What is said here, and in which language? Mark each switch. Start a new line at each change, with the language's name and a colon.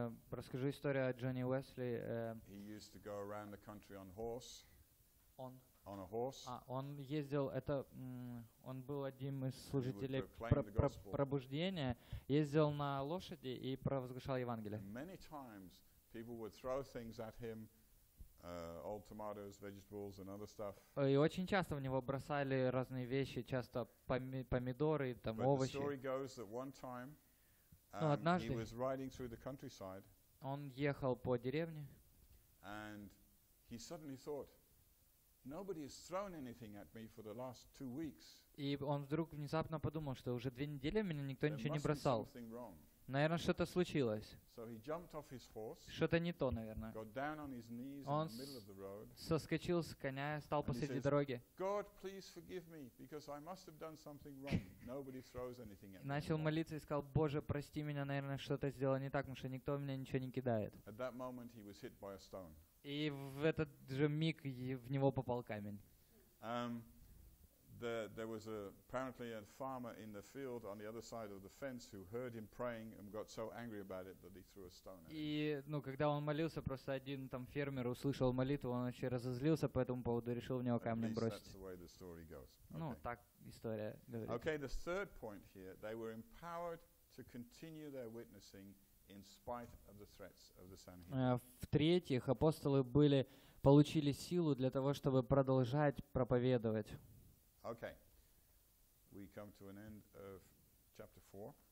Russian: Расскажи историю о Джонни Уэсли.
English: He used to go around the country on horse. On a horse.
Russian: Он ездил. Это он был одним из служителей пробуждения. Ездил на лошади и провозглашал Евангелие.
English: Many times people would throw things at him. Old tomatoes, vegetables, and other stuff.
Russian: И очень часто в него бросали разные вещи, часто помидоры, там овощи.
English: But the story goes that one time, he was riding through the countryside.
Russian: Он ехал по деревне.
English: And he suddenly thought, nobody has thrown anything at me for the last 2 weeks.
Russian: И он вдруг внезапно подумал, что уже 2 недели меня никто ничего не бросал. Наверное, что-то случилось.
English: So he jumped off his horse,
Russian: что-то не то, наверное.
English: Got down on his knees
Russian: он
English: in the middle of the road,
Russian: соскочил с коня, стал посреди
English: says,
Russian: дороги.
English: God, please forgive me, because I must have done something wrong. Nobody throws anything at me.
Russian: Начал молиться и сказал: Боже, прости меня, наверное, что-то сделал не так, потому что никто меня ничего не кидает.
English: At that moment he was hit by a stone.
Russian: И в этот же миг в него попал камень.
English: There was apparently a farmer in the field on the other side of the fence who heard him praying and got so angry about it that he threw a stone at him.
Russian: И, ну, когда он молился, просто один там фермер услышал молитву, он очень разозлился по этому поводу и решил в него камнем бросить.
English: That's the way the story goes.
Russian: Ну, так история говорит.
English: Okay, the third point here, they were empowered to continue their witnessing in spite of the threats of the Sanhedrin.
Russian: В-третьих, апостолы получили силу для того, чтобы продолжать проповедовать.
English: Okay. We come to an end of chapter 4.